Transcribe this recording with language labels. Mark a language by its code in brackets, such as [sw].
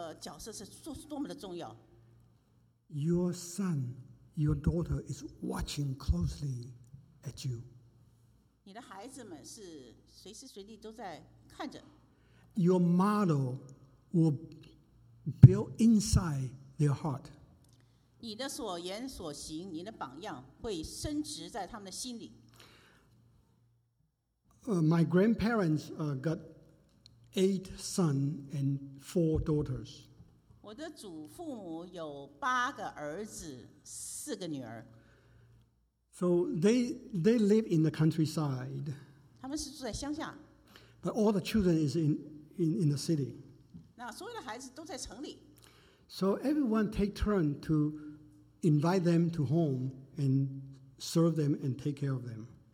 [zh] 父亲们，您的这个角色是多么的重要。 [en] Your son, your daughter is watching closely at you. [zh] 你的孩子们是随时随地都在看着。 [en] Your model will build inside their heart. [zh] 你的所言所行，你的榜样会深植在他们的心里。 [en] My grandparents got 8 sons and 4 daughters. [zh] 我的祖父母有8个儿子，4个女儿。 [en] So they live in the countryside. [zh] 他们是住在乡下。 [en] But all the children is in the city. [zh] 那所有的孩子都在城里。 [en] So everyone take turn to invite them to home and serve them and take care of them.